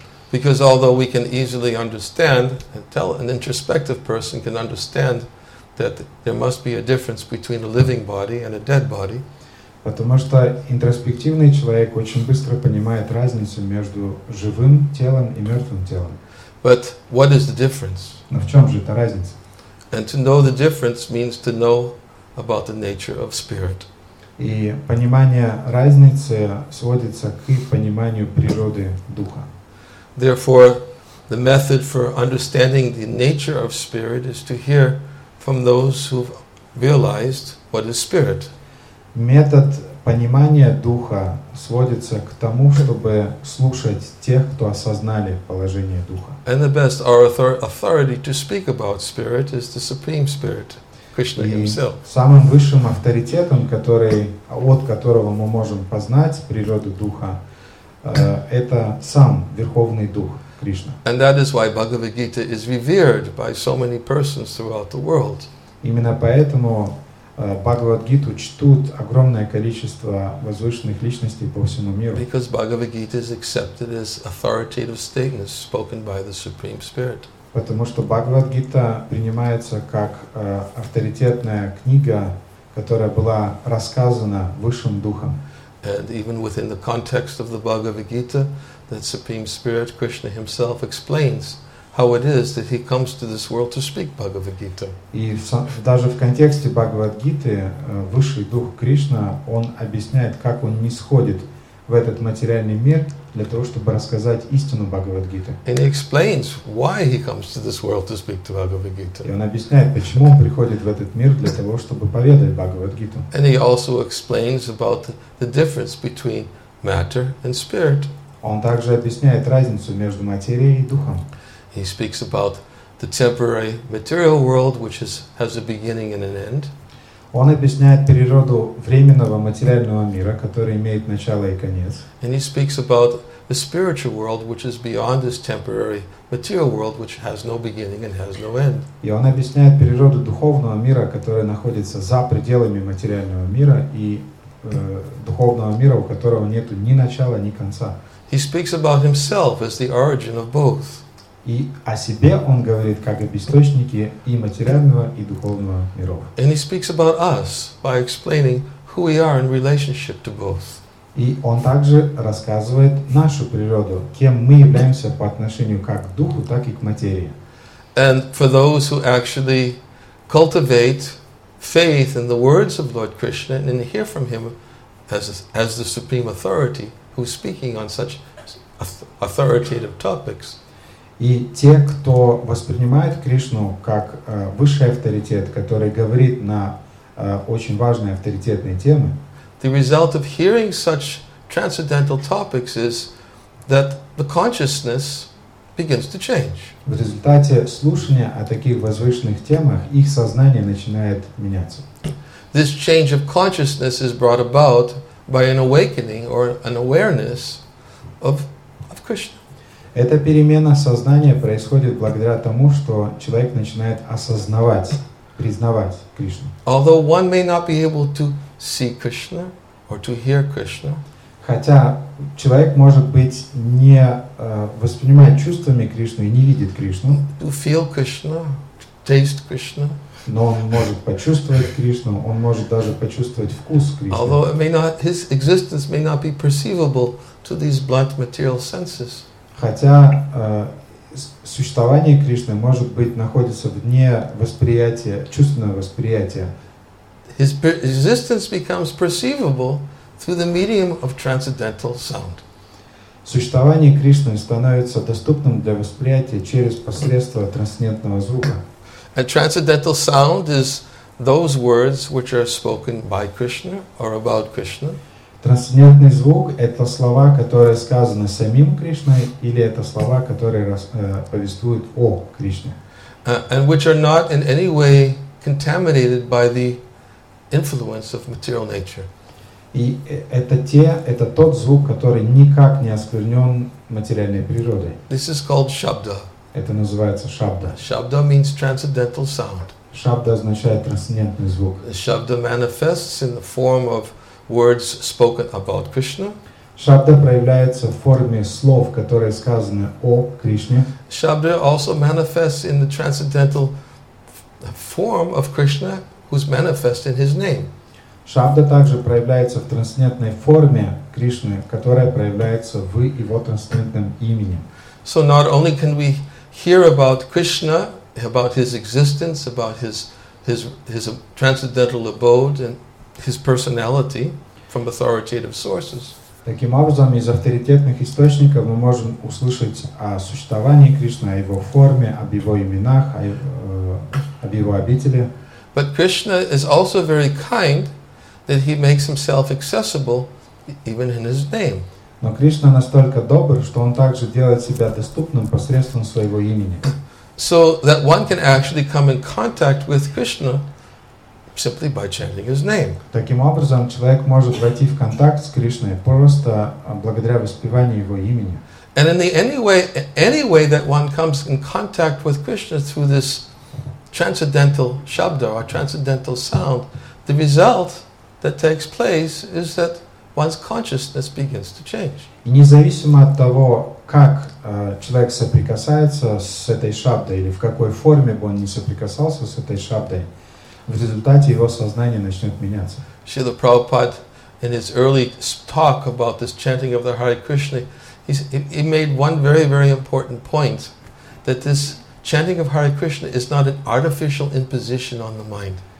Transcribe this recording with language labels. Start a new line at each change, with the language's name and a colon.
English: Because although we can easily understand, an introspective person can understand that there must be a difference between a living body and a dead body.
Russian: Потому что интроспективный человек очень быстро понимает разницу между живым телом и мертвым телом.
English: But what is the difference?
Russian: Но в чем же эта разница?
English: And to know the difference means to know about the nature of spirit.
Russian: И понимание разницы сводится к пониманию природы духа.
English: Therefore, the method for understanding the nature of spirit is to hear from those who've realized what is spirit.
Russian: Метод понимания духа сводится к тому, чтобы слушать тех, кто осознали положение духа.
English: And the best authority to speak about spirit is the Supreme Spirit.
Russian: Самым высшим авторитетом, от которого мы можем познать природу Духа, это сам Верховный Дух, Кришна.
English: And that is why Bhagavad Gita is revered by so many persons throughout the world.
Russian: Именно поэтому Бхагавад Гиту чтут огромное количество возвышенных личностей по всему миру.
English: Because Bhagavad Gita is accepted as authoritative statements spoken by the Supreme Spirit.
Russian: Потому что Бхагавад-гита принимается как авторитетная книга, которая была рассказана Высшим Духом.
English: And even within the context of the Bhagavad-gita, the Supreme Spirit, Krishna himself, explains how it is that he comes to this world to speak Bhagavad-gita.
Russian: И даже в контексте Бхагавад-гиты Высший Дух Кришна, он объясняет, как он нисходит в этот материальный мир, для того, чтобы рассказать истину Бхагавад-гиты.
English: And he explains why he comes to this world to speak to Bhagavad-gita.
Russian: И он объясняет, почему он приходит в этот мир для того, чтобы поведать Бхагавад-гиту.
English: And he also explains about the difference between matter and spirit.
Russian: Он также объясняет разницу между материей и духом.
English: He speaks about the temporary material world, which has a beginning and an end.
Russian: Он объясняет природу временного материального мира, который имеет начало и конец.
English: And he speaks about the spiritual world, which is beyond this temporary material world, which has no beginning and has no end.
Russian: И он объясняет природу духовного мира, которая находится за пределами материального мира и духовного мира, у которого нету ни начала, ни конца.
English: He speaks about himself as the origin of both.
Russian: И о себе он говорит как об источнике и материального, и духовного миров.
English: And he speaks about us by explaining who we are in relationship to both.
Russian: И он также рассказывает нашу природу, кем мы являемся по отношению как к духу, так и к материи.
English: And for those who actually cultivate faith in the words of Lord Krishna and hear from him as the supreme authority who's speaking on such authoritative topics.
Russian: И те, кто воспринимает Кришну как высший авторитет, который говорит на очень важные авторитетные темы,
English: the result of hearing such transcendental topics is that the consciousness begins to change.
Russian: В результате слушания о таких возвышенных темах их сознание начинает меняться.
English: This change of consciousness is brought about by an awakening or an awareness of Krishna.
Russian: Эта перемена сознания происходит благодаря тому, что человек начинает осознавать, признавать Кришну.
English: Although one may not be able to see Krishna or to hear Krishna,
Russian: хотя человек может быть не воспринимает чувствами Кришну и не видит Кришну,
English: to feel Krishna, to taste Krishna,
Russian: но он может почувствовать Кришну, он может даже почувствовать вкус Кришны.
English: Although it may not, his existence may not be perceivable to these blunt material senses.
Russian: Хотя существование Кришны может быть находится вне восприятия, чувственного восприятия.
English: His existence becomes perceivable through the medium of transcendental sound.
Russian: Существование Кришны становится доступным для восприятия через посредство трансцендентного звука.
English: And transcendental sound is those words which are spoken by Krishna or about Krishna.
Russian: Трансцендентный звук — это слова, которые сказаны самим Кришной, или это слова, которые повествуют о Кришне.
English: And which are not in any way contaminated by the influence of material nature.
Russian: И это тот звук, который никак не осквернен материальной природой.
English: This is called shabda.
Russian: Это называется шабда.
English: Shabda means transcendental sound.
Russian: Шабда означает трансцендентный звук.
English: Shabda manifests in the form of words spoken about Krishna.
Russian: Шабда проявляется в форме слов, которые сказаны о Кришне.
English: Шабда also manifests in the transcendental form of Krishna, who's manifest in his name.
Russian: Шабда также проявляется в трансцендентной форме Кришны, которая проявляется в его трансцендентном имени.
English: So not only can we hear about Krishna, about his existence, about his transcendental abode and his personality from authoritative sources.
Russian: Таким образом, из авторитетных источников мы можем услышать о существовании Кришны, о его форме, об его именах, об его обители.
English: But Krishna is also very kind that he makes himself accessible even in his name.
Russian: Но Кришна настолько добр, что он также делает себя доступным посредством своего имени.
English: So that one can actually come in contact with Krishna simply by chanting his name.
Russian: Таким образом, человек может войти в контакт с Кришной просто благодаря воспеванию его имени.
English: And in the any way that one comes in contact with Krishna through this transcendental shabda or transcendental sound, the result that takes place is that one's consciousness begins to change.
Russian: И независимо от того, как человек соприкасается с этой шабдой или в какой форме бы он ни соприкасался с этой шабдой, в результате его сознание начнет меняться.
English: Śrīla Prabhupāda, in his early talk about this chanting of the Hare Krishna, he made one very, very important point, that this chanting of Hare Krishna is not an artificial imposition on the mind.